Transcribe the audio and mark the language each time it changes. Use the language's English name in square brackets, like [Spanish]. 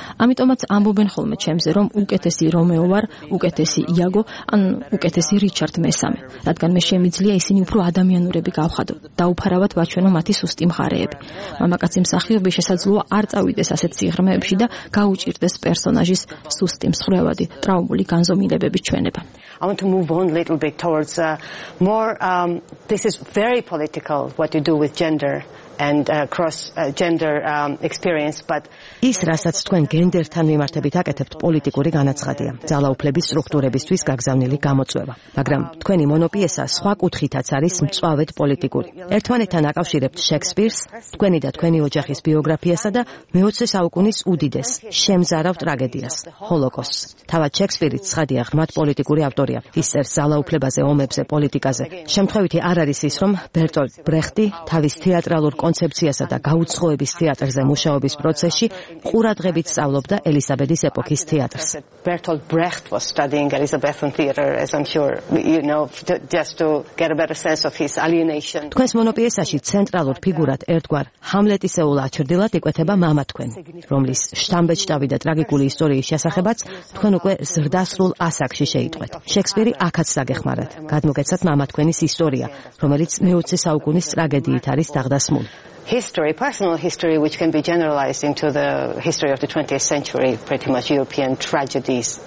[Georgian] ამიტომაც ამბობენ ხოლმე ჩემზე, რომ უკეთესი რომეო ვარ, უკეთესი იაგო, ან უკეთესი რიჩარდ მესამე, რადგან მე შემიძლია ისინი უფრო ადამიანურები გავხადო და უფარავად ვაჩვენო მათი სუსტი მხარეები. მამაკაცი მსახიობი შესაძლოა არ წავიდეს ასეთ სიღრმეებში და გაუჭირდეს პერსონაჟის სუსტი მსხვრევადი, ტრავმული განზომილებების ჩვენება. [English] I want to move on a little bit towards more this is very political what you do with gender and cross gender experience but [Georgian] ის რასაც თქვენ გენდერთან მიმართებით აკეთებთ პოლიტიკური განაცხადია ძალაუფლების სტრუქტურებისთვის გაგზავნილი გამოწვევა მაგრამ თქვენი მონოპიესა სხვა კუთხითაც არის მწავედ პოლიტიკური ერთმანეთთან აკავშირებთ შექსპირს თქვენი და თქვენი ოჯახის ბიოგრაფიასა და მე-20 საუკუნის უდიდეს შემზარავ ტრაგედიას ჰოლოკოსტს თავად შექსპირი ცხადია ღმად პოლიტიკური ავტორია ის წერს ძალაუფლებაზე ომებზე პოლიტიკაზე შემთხვევითი არ არის ის რომ ბერტოლდ ბრეხტი თავის თეატრალურ კონცეფციასა და გაუცხოების თეატრზე მუშაობის პროცესში ყურადღებით სწავლობდა ელისაბედის ეპოქის თეატრს. [English] Bertolt Brecht was studying Elizabethan theater as I'm sure you know just to get a better sense of his alienation. [Georgian] თქვენს მონოპიესაში ცენტრალურ ფიგურად ერთგვარ ჰამლეტისეულ აჩრდილად იკვეთება მამა თქვენ, რომლის შტამბეჭდავი და ტრაგიკული ისტორიის შესახებაც თქვენ უკვე ზრდასრულ ასაკში შეიტყვეთ. შექსპირი აქაც დაგეხმარათ. გადმოგეცათ მამა თქვენის ისტორია, რომელიც მე-20 საუკუნის ტრაგედიით არის დაღდასმული. [English] History, personal history, which can be generalized into the history of the 20th century, pretty much European tragedies.